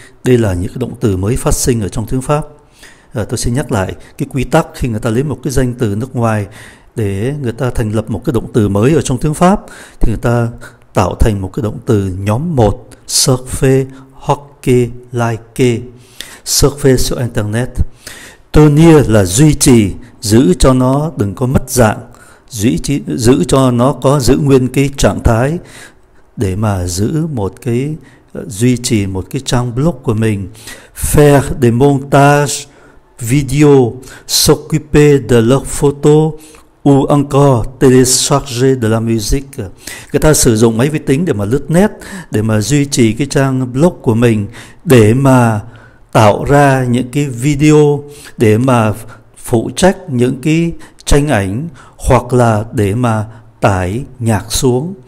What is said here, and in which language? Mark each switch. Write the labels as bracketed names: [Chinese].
[Vietnamese] Đây là những cái động từ mới phát sinh ở trong tiếng Pháp. Tôi xin nhắc lại cái quy tắc khi người ta lấy một cái danh từ nước ngoài để người ta thành lập một cái động từ mới ở trong tiếng Pháp, thì người ta tạo thành một cái động từ nhóm 1, surfer, hockey, like, [French] surfer sur Internet. [Vietnamese] Tenir là duy trì, giữ cho nó đừng có mất dạng, giữ cho nó có giữ nguyên cái trạng thái để mà giữ một cái, duy trì một cái trang blog của mình. [French] Faire des montages vidéo, s'occuper de leurs photos ou encore télécharger de la musique. [Vietnamese] Người ta sử dụng máy vi tính để mà lướt net, để mà duy trì cái trang blog của mình, để mà tạo ra những cái video, để mà phụ trách những cái tranh ảnh, hoặc là để mà tải nhạc xuống.